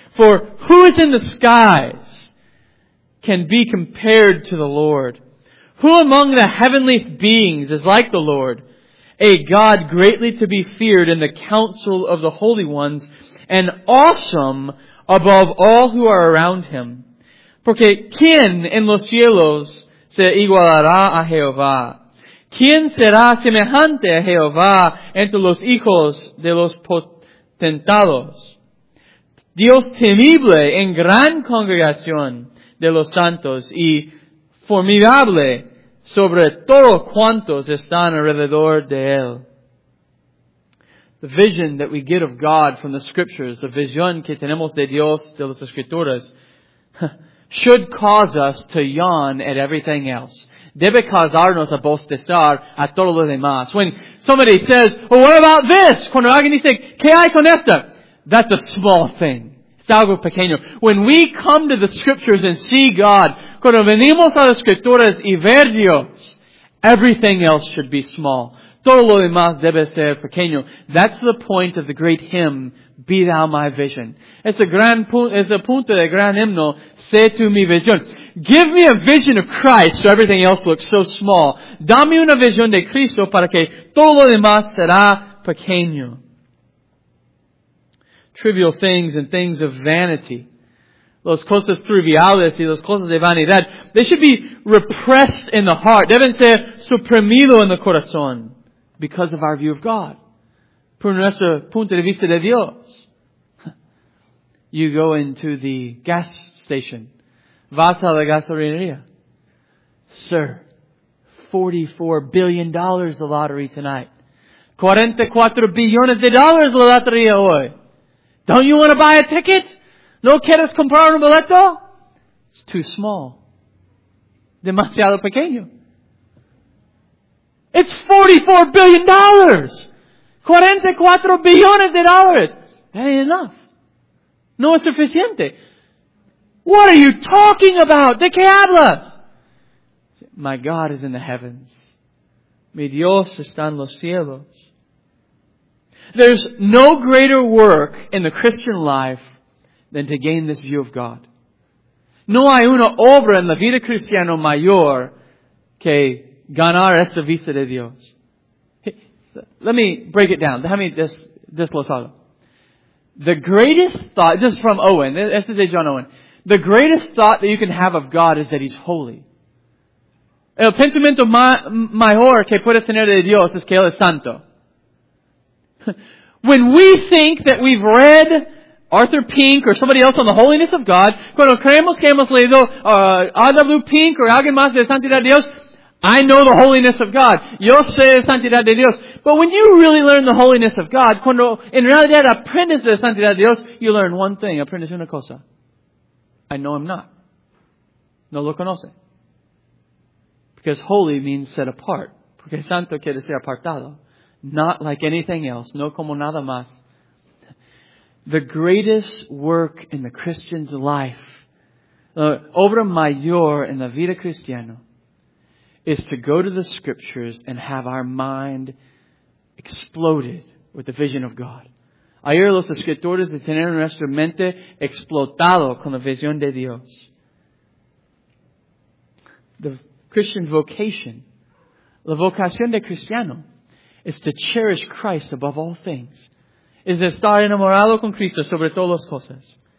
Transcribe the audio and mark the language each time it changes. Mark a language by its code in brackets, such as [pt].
[en] For who is in the skies can be compared to the Lord? Who among the heavenly beings is like the Lord, a God greatly to be feared in the council of the holy ones, and awesome above all who are around him? [es] Porque ¿quién en los cielos se igualará a Jehová? ¿Quién será semejante a Jehová entre los hijos de los potentados? Dios temible en gran congregación de los santos y formidable sobre todos cuantos están alrededor de él. [en] The vision that we get of God from the Scriptures, the vision [es] que tenemos de Dios de las Escrituras, [en] should cause us to yawn at everything else. [es] Debe causarnos a bostezar a todo lo demás. [en] When somebody says, well, what about this? [es] Cuando alguien dice, ¿qué hay con esto? [en] That's a small thing. [es] Es algo pequeño. [en] When we come to the Scriptures and see God, [es] cuando venimos a las Escrituras y ver Dios, [en] everything else should be small. [es] Todo lo demás debe ser pequeño. [en] That's the point of the great hymn, Be Thou My Vision. [es] Es el punto del gran himno, Sé Tú Mi Visión. [en] Give me a vision of Christ so everything else looks so small. [es] Dame una visión de Cristo para que todo lo demás será pequeño. [en] Trivial things and things of vanity. [es] Los cosas triviales y los cosas de vanidad. [en] They should be repressed in the heart. [es] Deben ser suprimido en el corazón. [en] Because of our view of God. [es] Por nuestro punto de vista de Dios. [en] You go into the gas station. [es] Vas a la gasolinería. [en] Sir, $44 billion the lottery tonight. [es] 44 billones de dólares la lotería hoy. [en] Don't you want to buy a ticket? [es] ¿No quieres comprar un boleto? [en] It's too small. [es] Demasiado pequeño. [en] It's $44 billion. [es] 44 billones de dólares. [en] That ain't enough. [es] No es suficiente. [en] What are you talking about? [es] ¿De qué hablas? [en] My God is in the heavens. [es] Mi Dios está en los cielos. [en] There's no greater work in the Christian life than to gain this view of God. [es] No hay una obra en la vida cristiana mayor que ganar esta vista de Dios. [en] Let me break it down. [es] Déjame desglosarlo. [en] The greatest thought, this is from Owen, this is de John Owen. The greatest thought that you can have of God is that He's holy. [es] El pensamiento mayor que puedes tener de Dios es que Él es santo. [en] When we think that we've read Arthur Pink or somebody else on the holiness of God, [es] cuando creemos que hemos leído R.W. Pink or alguien más de santidad de Dios, [en] I know the holiness of God. [es] Yo sé santidad de Dios. [en] But when you really learn the holiness of God, [es] cuando en realidad aprendes de santidad de Dios, [en] you learn one thing, [es] aprendes una cosa. [en] I know I'm not. [es] No lo conoce. [en] Because holy means set apart. [es] Porque santo quiere ser apartado. [en] Not like anything else. [es] No como nada más. [en] The greatest work in the Christian's life, the [es] obra mayor en la vida cristiana, [en] is to go to the Scriptures and have our mind exploded with the vision of God. [es] Ayer los escritores de tener nuestra mente explotado con la visión de Dios. [en] The Christian vocation, [es] la vocación de cristiano, [en] is to cherish Christ above all things. [es] Es estar enamorado con Cristo sobre todas las cosas.